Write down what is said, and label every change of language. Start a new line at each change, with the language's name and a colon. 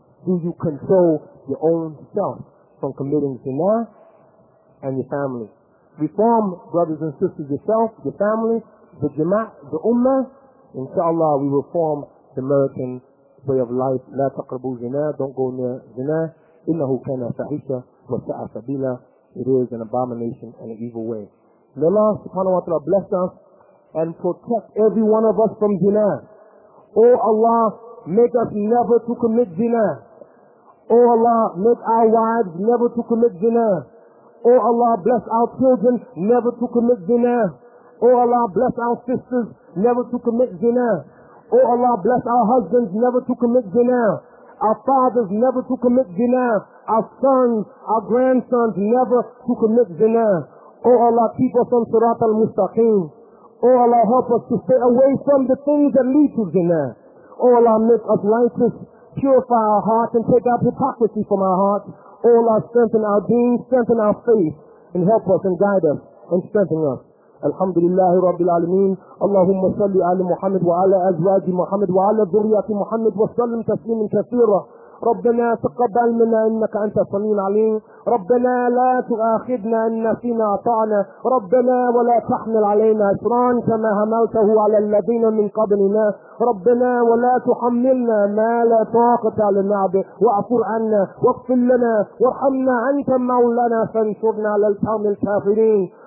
English: Do you control your own self from committing zina and your family? Reform, brothers and sisters, yourself, your family, the jama'at, the ummah. Inshallah, we reform the American way of life.
Arabic: لا تقربوا زنا.
English: Don't go near زنا.
Arabic: إنه كان فاحشة وساء سبيلا.
English: It is an abomination and an evil way. May Allah subhanahu wa ta'ala bless us and protect every one of us from زنا. Oh Allah, make us never to commit زنا. Oh Allah, make our wives never to commit زنا. Oh Allah, bless our children never to commit زنا. Oh Allah, bless our sisters never to commit زنا. Oh Allah, bless our husbands never to commit zina. Our fathers never to commit zina. Our sons, our grandsons never to commit zina. Oh Allah, keep us on Sirat al-Mustaqim. Oh Allah, help us to stay away from the things that lead to zina. Oh Allah, make us righteous, purify our hearts, and take out hypocrisy from our hearts. Oh Allah, strengthen our deen, strengthen our faith, and help us and guide us and strengthen us.
Arabic: الحمد لله رب العالمين اللهم صل على محمد وعلى أزواج محمد وعلى ذرية محمد وسلم تسليما كثيرا ربنا تقبل منا إنك أنت السميع العليم ربنا لا تؤاخذنا إن نسينا أطعنا ربنا ولا تحمل علينا إصرا كما حملته على الذين من قبلنا ربنا ولا تحملنا ما لا طاقة لنا به واعف عنا واغفر لنا وارحمنا أنت مولانا فانصرنا على القوم الكافرين